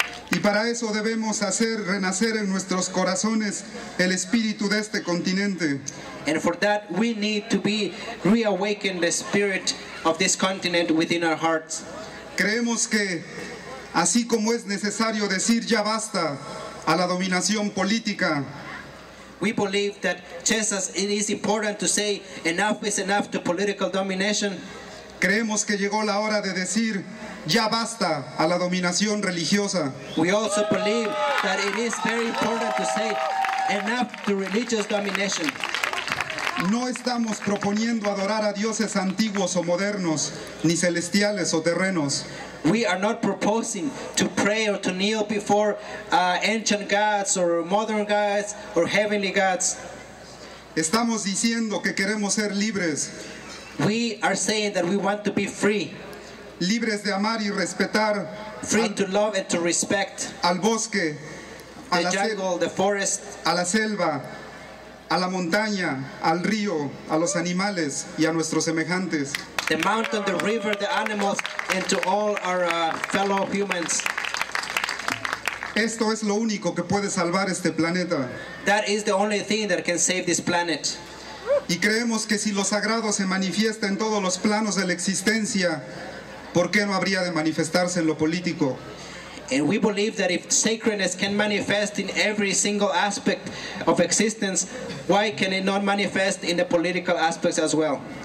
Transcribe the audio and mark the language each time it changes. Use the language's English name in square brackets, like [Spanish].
[Spanish] Y para eso debemos hacer renacer en nuestros corazones el espíritu de este continente. [English] And for that we need to be reawakened the spirit of this continent within our hearts. [Spanish] Creemos que así como es necesario decir ya basta a la dominación política. [English] We believe that just as it is important to say enough is enough to political domination. [Spanish] Creemos que llegó la hora de decir ya basta a la dominación religiosa. [English] We also believe that it is very important to say enough to religious domination. [Spanish] No estamos proponiendo adorar a dioses antiguos o modernos, ni celestiales o terrenos. [English] We are not proposing to pray or to kneel before ancient gods or modern gods or heavenly gods. [Spanish] Estamos diciendo que queremos ser libres. [English] We are saying that we want to be free. [Spanish] Libres de amar y respetar. [English] Free to love and to respect. [Spanish] Al bosque, a la [English] jungle, the forest, [Spanish] a la selva, a la montaña, al río, a los animales y a nuestros semejantes. [English] The mountain, the river, the animals, and to all our fellow humans. [Spanish] Esto es lo único que puede salvar este planeta. [English] That is the only thing that can save this planet. [Spanish] Y creemos que si lo sagrado se manifiesta en todos los planos de la existencia, ¿por qué no habría de manifestarse en lo político? [English] And we believe that if sacredness can manifest in every single aspect of existence, why can it not manifest in the political aspects as well?